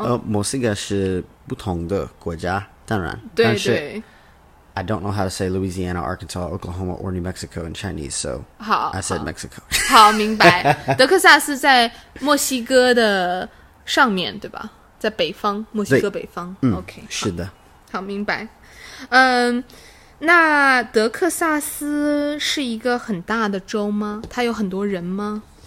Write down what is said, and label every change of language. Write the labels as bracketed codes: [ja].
[zh] 因为墨西哥是不同的国家，当然。对对。但是 [en] I don't know how to say Louisiana, Arkansas, Oklahoma, or New Mexico in Chinese, so [zh] 好 [en] I said Mexico. [zh] 好，明白。德克萨斯在墨西哥的上面，对吧？在北方，墨西哥北方。嗯 [en] ，OK， [zh] 是的，好，明白。嗯，那德克萨斯是一个很大的州吗？它有很多人吗？